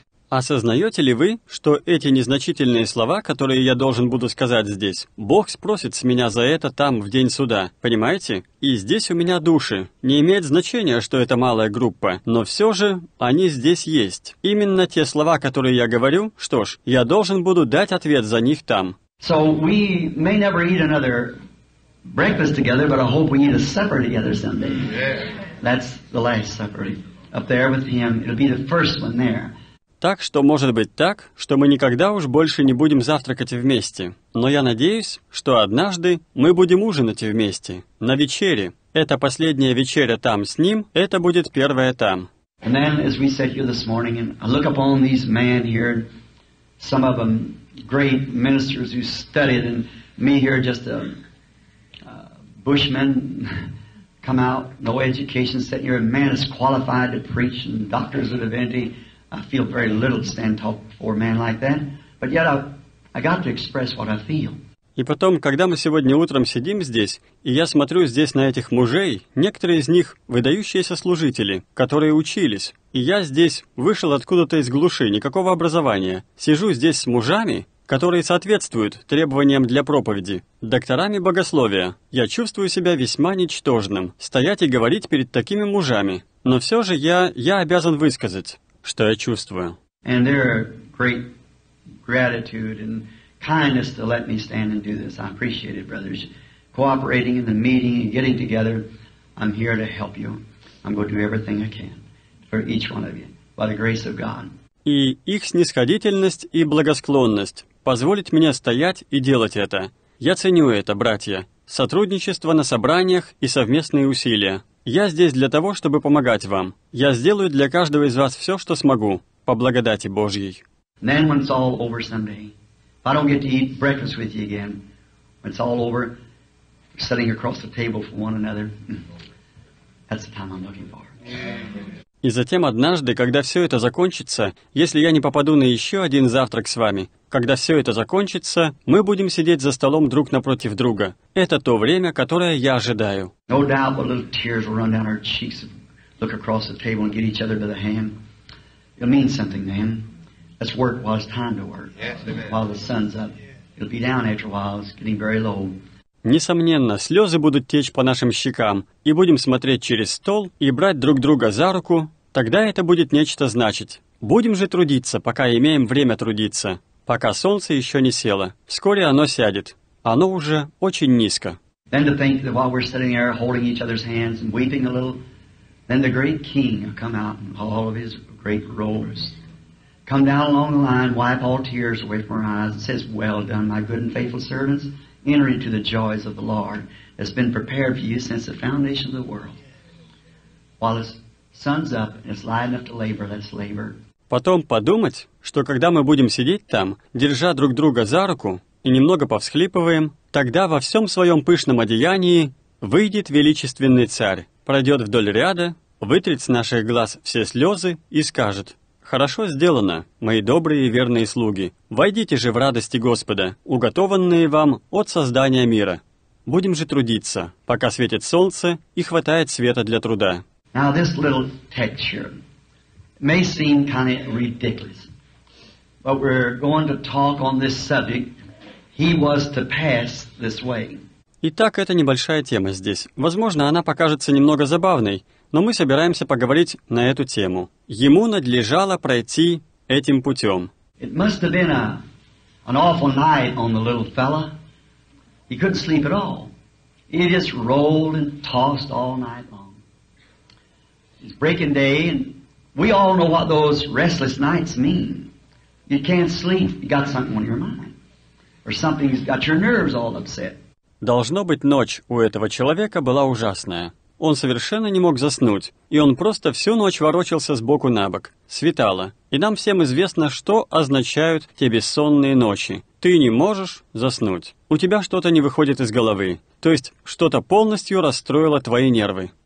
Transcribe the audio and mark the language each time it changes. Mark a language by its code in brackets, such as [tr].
[ru] Осознаете ли вы, что эти незначительные слова, которые я должен буду сказать здесь, Бог спросит с меня за это там, в день суда, понимаете? И здесь у меня души. Не имеет значения, что это малая группа, но все же они здесь есть. Именно те слова, которые я говорю, что ж, я должен буду дать ответ за них там. [en] So we may never eat another breakfast together, but I hope we eat a supper together someday. That's the last supper. Up there with him, it'll be the first one there. [ru] Так что может быть так, что мы никогда уж больше не будем завтракать вместе. Но я надеюсь, что однажды мы будем ужинать вместе. На вечере. Это последняя вечеря там с ним, это будет первая там. [en] And then, as we sit here this morning, and I look upon these men here, some of them great ministers who studied, and me here just a bushman. Come out, no education, sitting here, a man is qualified to preach and doctors of divinity. I feel very little to stand tall before a man like that. But yet I got to express what I feel. [ru] И потом, когда мы сегодня утром сидим здесь, и я смотрю здесь на этих мужей, некоторые из них – выдающиеся служители, которые учились, и я здесь вышел откуда-то из глуши, никакого образования, сижу здесь с мужами, которые соответствуют требованиям для проповеди, докторами богословия. Я чувствую себя весьма ничтожным, стоять и говорить перед такими мужами. Но все же я обязан высказать, что я чувствую. [en] And there are great gratitude and kindness to let me stand and do this. I appreciate it, brothers. Cooperating in the meeting and getting together, I'm here to help you. I'm going to do everything I can for each one of you by the grace of God. [ru] И их снисходительность и благосклонность позволить мне стоять и делать это. Я ценю это, братья. Сотрудничество на собраниях и совместные усилия. Я здесь для того, чтобы помогать вам. Я сделаю для каждого из вас все, что смогу, по благодати Божьей. [en] Then when it's all over someday, if I don't get to eat breakfast with you again, when it's all over, sitting across the table from one another, that's the time I'm looking for. [ru] И затем однажды, когда все это закончится, если я не попаду на еще один завтрак с вами, когда все это закончится, мы будем сидеть за столом друг напротив друга. Это то время, которое я ожидаю. [en] No doubt, but little tears will run down our cheeks and look across the table and get each other by the hand. It'll mean something then. That's work while it's time to work. While the sun's up. It'll be down after a while. It's getting very low. [ru] Несомненно, слезы будут течь по нашим щекам, и будем смотреть через стол и брать друг друга за руку, тогда это будет нечто значить. Будем же трудиться, пока имеем время трудиться, пока солнце еще не село. Вскоре оно сядет. Оно уже очень низко. [en] Then to think that while we're sitting there holding each other's hands and weeping a little, then the great king will come out in all of his great robes, come down along the line, wipe all tears away from our eyes, and says, well done, my good and faithful servants. Enter into the joys of the Lord that's been prepared for you since the foundation of the world. While the sun's up and it's light enough to labor, let's labor. [ru] Потом подумать, что когда мы будем сидеть там, держа друг друга за руку и немного повсхлипываем, тогда во всем своем пышном одеянии выйдет величественный царь, пройдет вдоль ряда, вытрет с наших глаз все слезы и скажет: «Хорошо сделано, мои добрые и верные слуги. Войдите же в радости Господа, уготованные вам от создания мира. Будем же трудиться, пока светит солнце и хватает света для труда». [en] Now this little text here may seem kind of ridiculous, but we're going to talk on this subject. He was to pass this way. [ru] Итак, это небольшая тема здесь. Возможно, она покажется немного забавной, но мы собираемся поговорить на эту тему. Ему надлежало пройти этим путем. [en] It must have been an awful night on the little fella. He couldn't sleep at all. He just rolled and tossed all night long. It's breaking day, and we all know what those restless nights mean. You can't sleep. You got something on your mind, or something's got your nerves all upset. [ru] Должно быть, ночь у этого человека была ужасная. Он совершенно не мог заснуть, и он просто всю ночь ворочался сбоку на бок. Светало, и нам всем известно, что означают те бессонные ночи. Ты не можешь заснуть. У тебя что-то не выходит из головы, то есть что-то полностью расстроило твои нервы.